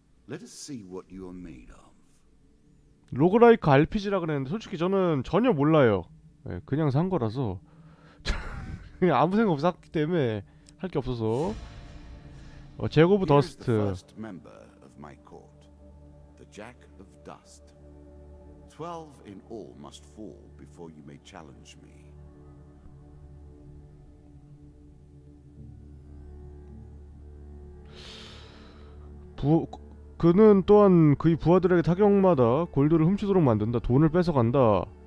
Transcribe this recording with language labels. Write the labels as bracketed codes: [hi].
[en] Let us see what you are made of. [ko] 로그라이크 RPG라 그랬는데 솔직히 저는 전혀 몰라요. 네, 그냥 산 거라서 그냥 아무 생각 없이 샀기 때문에 할게 없어서 제곱 오브 [en] Here is the 더스트. first member of my court. Jack of Dust. 12 in all must fall before you may challenge me. [ko] "그는 또한 그의 부하들에게 타격마다 골드를 훔치도록 만든다. 돈을 뺏어간다.